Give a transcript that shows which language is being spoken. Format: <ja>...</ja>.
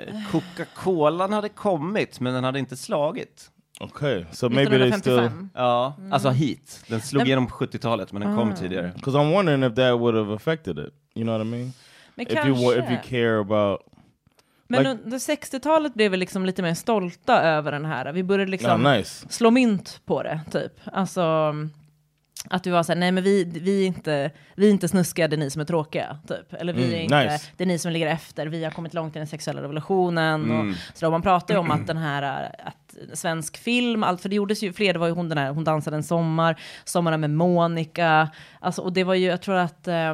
<sv>Coca-Cola hade kommit men den hade inte slagit.</sv> <en>Okay, so maybe 1955. They still</en> <sv>alltså hit. Den slog igenom 70-talet men den kom tidigare.</sv> <en>Because I'm wondering if that would have affected it. You know what I mean?</en> <sv>Men</sv> <en>if you care about.</en> <sv>Men like, under 60-talet blev vi liksom lite mer stolta över den här. Vi började liksom slå mynt på det typ. Alltså att du var så här, nej men vi är inte snuskiga, det är ni som är tråkiga typ, eller vi är inte</sv> <en>nice.</en> <sv>Det är ni som ligger efter, vi har kommit långt i den sexuella revolutionen och så då man pratar ju om att den här att svensk film allt, för det gjordes ju fler, det var ju hon den här, hon dansade en sommar med Monica, alltså, och det var ju, jag tror att</sv>